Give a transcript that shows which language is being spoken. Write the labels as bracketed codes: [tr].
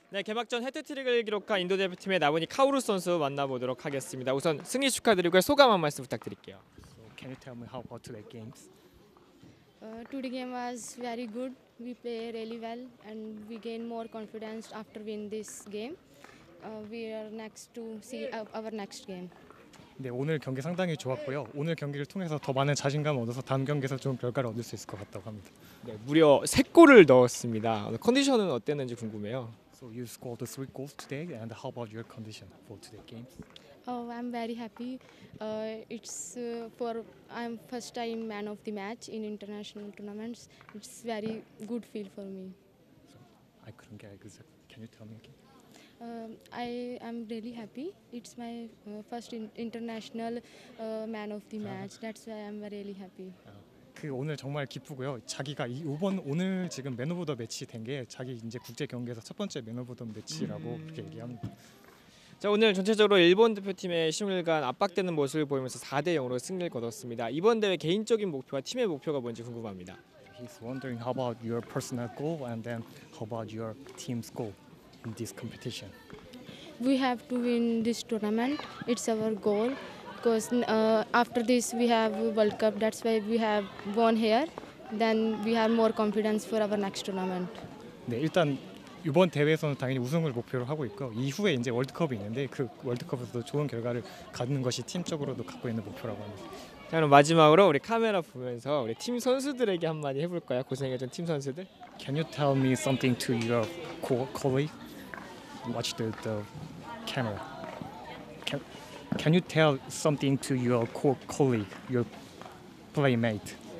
[ko] 네, 개막전 해트트릭을 기록한 인도 대표팀의 나브니 카우루 선수 만나보도록 하겠습니다. 우선 승리 축하드리고요. 소감 한 말씀 부탁드릴게요. [en] So, can you tell me how about today's games? Today game was very good. We play really well and we gain more confidence after win this game. We are next to see our next game. [ko] 네, 오늘 경기 상당히 좋았고요. 오늘 경기를 통해서 더 많은 자신감 얻어서 다음 경기에서 좋은 결과를 얻을 수 있을 것 같다고 합니다. 네, 무려 세 골을 넣었습니다. 컨디션은 어땠는지 궁금해요. [en] So you scored the three goals today, and how about your condition for today's games? Oh, I'm very happy. I'm first time man of the match in international tournaments. It's very good feel for me. So I couldn't get it. Can you tell me again? I am really happy. It's my first international man of the match. That's why I'm really happy. [ko] 그 오늘 정말 기쁘고요. 자기가 이번 오늘 지금 맨 오브 더 매치 된 게 자기 이제 국제 경기에서 첫 번째 맨 오브 더 매치라고 그렇게 얘기합니다. 자, 오늘 전체적으로 일본 대표팀의 10일간 압박되는 모습을 보이면서 4-0으로 승리를 거뒀습니다. 이번 대회 개인적인 목표와 팀의 목표가 뭔지 궁금합니다. [en] He's wondering how about your personal goal and then how about your team's goal in this competition. We have to win this tournament. It's our goal. Because after this we have World Cup. That's why we have won here. Then we have more confidence for our next tournament. [ko] 네, 일단 이번 대회에서는 당연히 우승을 목표로 하고 있고 이후에 이제 월드컵이 있는데 그 월드컵에서도 좋은 결과를 갖는 것이 팀적으로도 갖고 있는 목표라고 합니다. 자, 그럼 마지막으로 우리 카메라 보면서 우리 팀 선수들에게 한마디 해볼까요? 고생해준 팀 선수들. [en] Can you tell me something to your colleague? Watch the camera. Can you tell something to your colleague, your playmate?